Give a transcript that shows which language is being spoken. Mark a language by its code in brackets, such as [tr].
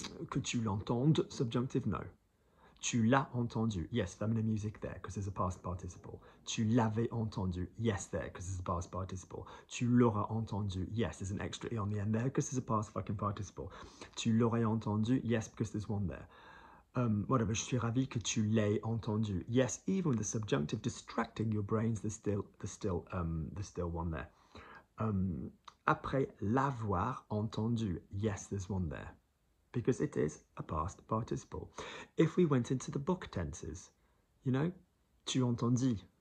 [fr] Que tu l'entendes, [en] subjunctive, no. [fr] Tu l'as entendu, [en] yes, feminine music there, because there's a past participle. [fr] Tu l'avais entendu, [en] yes, there, because there's a past participle. [fr] Tu l'auras entendu, [en] yes, there's an extra E on the end there, because there's a past fucking participle. [fr] Tu l'aurais entendu, [en] yes, because there's one there. [fr] Whatever, je suis ravi que tu l'aies entendu. [en] Yes, even the subjunctive distracting your brains, there's still one there. [fr] Après l'avoir entendu, [en] yes, there's one there. Because it is a past participle. If we went into the book tenses, you know, [fr] tu entendis.